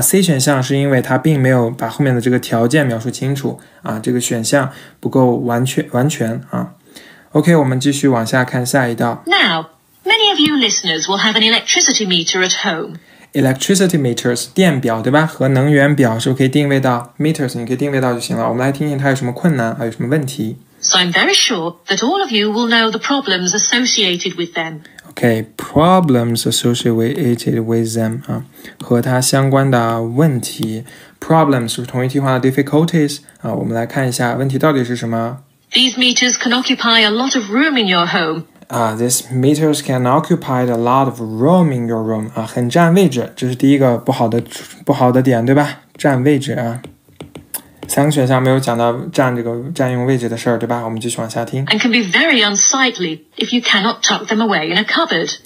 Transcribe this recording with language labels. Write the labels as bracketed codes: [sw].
[zh] C 选项是因为它并没有把后面的这个条件描述清楚啊，这个选项不够完全啊。 OK, 我们继续往下看下一道。 [en] Now, many of you listeners will have an electricity meter at home. [zh] Electricity meters, 电表对吧？和能源表是不是可以定位到 meters? 你可以定位到就行了。我们来听听它有什么困难，还有什么问题。 [en] So I'm very sure that all of you will know the problems associated with them. [zh] Okay, [en] problems associated with them, [zh] 和它相关的问题。 Problems 是同义替换的 difficulties, 我们来看一下问题到底是什么。 [en] These meters can occupy a lot of room in your home. These meters can occupy a lot of room in your room, [zh] 很占位置，这是第一个不好的点，对吧？占位置啊。三个选项没有讲到占用位置的事儿，对吧？我们继续往下听。 [en] And can be very unsightly if you cannot tuck them away in a cupboard.